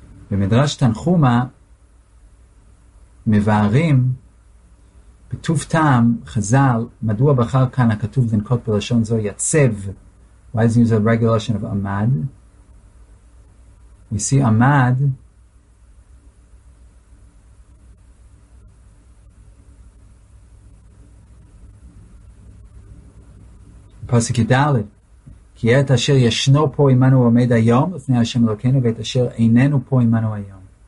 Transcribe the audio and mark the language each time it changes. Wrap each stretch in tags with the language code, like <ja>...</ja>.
<he>במדרש תנחומה מבארים בטוב טעם חז"ל מדוע בחר כאן הכתוב לנקוט בלשון זו יצב.</he> <en>Why is he using the regular lesson of עמד? We see</en> <he>עמד פסוק דלת, כי את אשר ישנו פה עמנו עומד היום לפני השם אלוקינו, ואת אשר איננו פה עמנו היום.</he>